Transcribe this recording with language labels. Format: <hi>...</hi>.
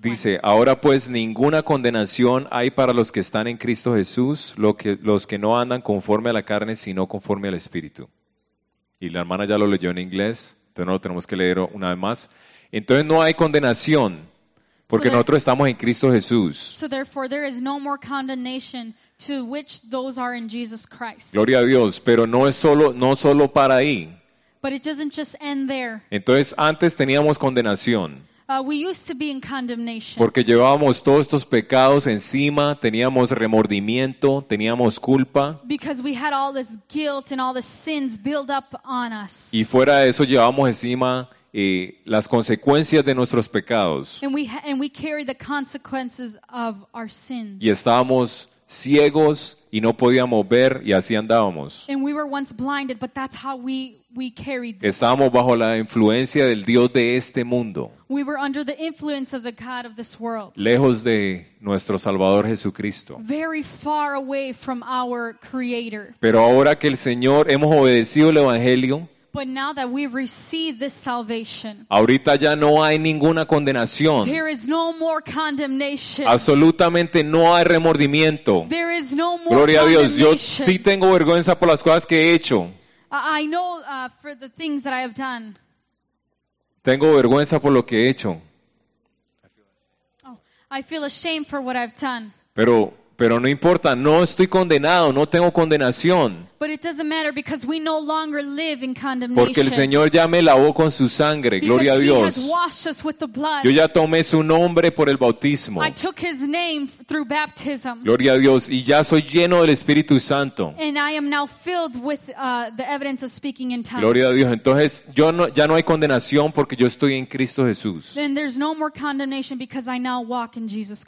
<es>Dice, ahora pues ninguna condenación hay para los que están en Cristo Jesús, los que no andan conforme a la carne, sino conforme al Espíritu. Y la hermana ya lo leyó en inglés, entonces no lo tenemos que leer una vez más. Entonces no hay condenación. Porque nosotros estamos en Cristo Jesús.</es> <en>So therefore there is no more condemnation to which those are in Jesus Christ.</en> <es>Gloria a Dios, pero no solo para ahí.</es> <en>But it doesn't just end there.</en> <es>Entonces antes teníamos condenación.</es> <en>We used to be in condemnation.</en> <es>Porque llevábamos todos estos pecados encima, teníamos remordimiento, teníamos culpa.</es> <en>Because we had all this guilt and all the sins build up on us.</en> <es>Y fuera de eso llevábamos encima las consecuencias de nuestros pecados.</es> <en>And we carry the consequences of our sins.</en> <es>Y estábamos ciegos y no podíamos ver y así andábamos.</es> <en>And we were once blinded, but that's how we carried this.</en> <es>Estábamos bajo la influencia del Dios de este mundo.</es> <en>We were under the influence of the God of this world.</en> <es>Lejos de nuestro Salvador Jesucristo.</es> <en>Very far away from our Creator.</en> <es>Pero ahora que el Señor hemos obedecido el Evangelio.</es> <en>But now that we've received this salvation,</en> <es>ahorita ya no hay ninguna condenación.</es> <en>There is no more condemnation.</en> <es>Absolutamente no hay remordimiento.</es> <en>There is no more</en> <es>Gloria a Dios. Yo sí tengo vergüenza por las cosas que he hecho.</es> <en>I know for the things that I have done.</en> <es>Tengo vergüenza por lo que he hecho.</es> <en>Oh, I feel ashamed for what I've done.</en> <es>Pero no importa, no estoy condenado, no tengo condenación.</es> <en>But it doesn't matter because we no longer live in condemnation.</en> <es>Porque el Señor ya me lavó con su sangre,</es> <en>because</en> <es>gloria a Dios.</es> <en>He has washed us with the blood.</en> <es>Yo ya tomé su nombre por el bautismo.</es> <en>I took his name through baptism.</en> <es>Gloria a Dios, y ya soy lleno del Espíritu Santo.</es> <en>And I am now filled with the evidence of speaking in tongues.</en> <es>Gloria a Dios, entonces yo no, ya no hay condenación porque yo estoy en Cristo Jesús.</es> <en>Then there's no more condemnation because I now walk in Jesus Christ.</en>